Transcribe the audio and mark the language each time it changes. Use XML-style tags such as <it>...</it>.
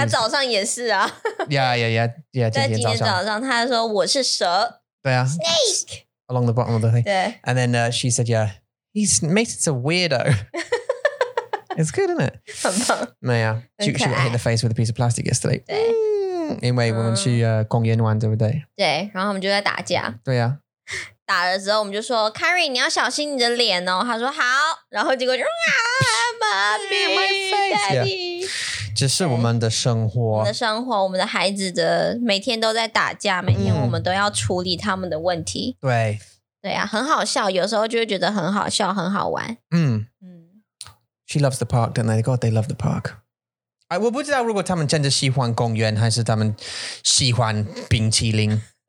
<zh>他早上也是啊。</zh> <en>Yeah.</en> <zh>今天早上他说我是蛇。对啊。</zh> <en>Snake! Along the bottom of the thing.</en> <zh>对。</zh> <en>And then she said, yeah, he's Mason's a weirdo. It's good, isn't it?</en> <zh>很棒。对啊。</zh> <en>She got hit the face with a piece of plastic yesterday.</en> <zh>对。因为我们去公园玩，对不对？对，然后我们就在打架。对啊。打的时候我们就说 Carrie, 你要小心你的脸哦。他说好。然后结果就</zh> <en>Mommy, my face, yeah.</en> <zh>只是我们的生活，我们的生活，我们的孩子的每天都在打架，每天我们都要处理他们的问题。对，对啊，很好笑，有时候就会觉得很好笑，很好玩。</zh> <en>She loves the park, don't they? God, they love the park.</en> <zh>我不知道如果他们真的喜欢公园，还是他们喜欢冰淇淋。</zh>